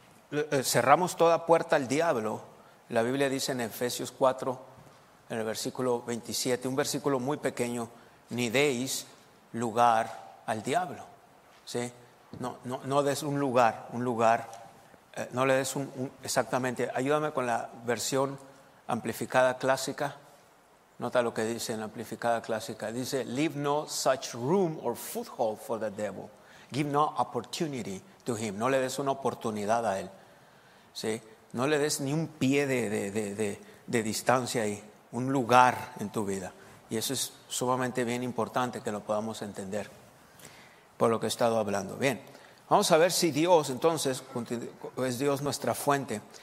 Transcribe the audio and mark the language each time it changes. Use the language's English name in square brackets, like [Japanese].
[Spanish] Y si cerramos toda puerta al diablo, la Biblia dice en Efesios 4, en el versículo 27, un versículo muy pequeño: ni deis lugar al diablo, ¿sí? No des un lugar, no le des un exactamente. Ayúdame con la versión amplificada clásica. Nota lo que dice en la amplificada clásica. Dice: [English] leave no such room or foothold for the devil. Give no opportunity to him. [Spanish] No le des una oportunidad a él, ¿sí? No le des ni un pie de distancia ahí, un lugar en tu vida. Y eso es sumamente bien importante que lo podamos entender por lo que he estado hablando. Bien, vamos a ver si Dios entonces es Dios nuestra fuente.